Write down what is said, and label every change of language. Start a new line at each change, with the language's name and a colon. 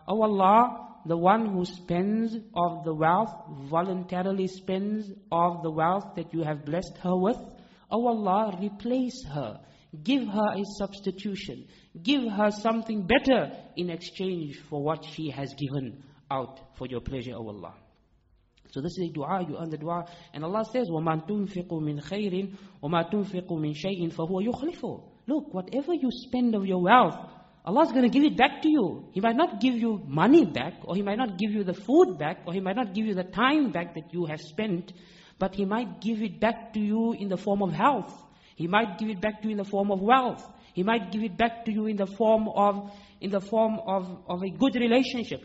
English: Oh Allah, the one who spends of the wealth, voluntarily spends of the wealth that you have blessed her with. Oh Allah, replace her. Give her a substitution. Give her something better in exchange for what she has given out for your pleasure, oh Allah. So this is a dua, you earn the dua. And Allah says,
Arabic: وَمَا تُنْفِقُوا مِنْ خَيْرٍ وَمَا تُنْفِقُوا مِنْ شَيْءٍ فَهُوَ يُخْلِفُ.
English: Look, whatever you spend of your wealth, Allah is going to give it back to you. He might not give you money back, or He might not give you the food back, or He might not give you the time back that you have spent, but He might give it back to you in the form of health. He might give it back to you in the form of wealth. He might give it back to you in the form of a good relationship.